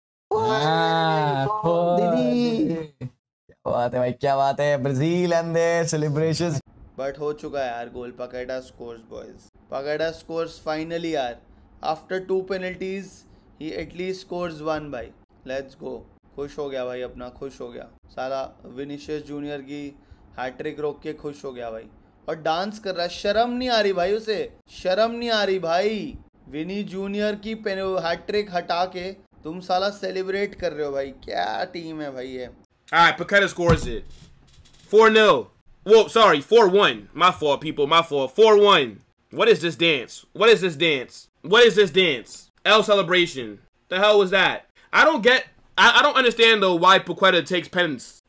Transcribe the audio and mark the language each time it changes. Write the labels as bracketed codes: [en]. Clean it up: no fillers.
[hi] Didi. Kya baat hai bhai? Kya baat hai? [en] Brazil and their celebrations. But [hi] ho chuka hai yaar [en] goal. Paqueta scores, boys. Paqueta scores finally yaar. After two penalties, he at least scores one, bhai. Let's go. [hi] खुश हो गया भाई अपना, खुश हो गया सारा Vinicius junior की हैट्रिक रोक के खुश हो गया भाई और डांस कर रहा है, शर्म नहीं आ रही भाई उसे, शर्म नहीं आ रही भाई। विनी जूनियर की हैट्रिक हटा के तुम साला सेलिब्रेट कर रहे हो भाई, क्या टीम है भाई ये। [en] Alright, Paqueta scores it. 4-0. Well, sorry, 4-1. My fault, people, my fault. 4-1. What is this dance? L celebration. The hell was that? I don't understand though why Paqueta takes penance.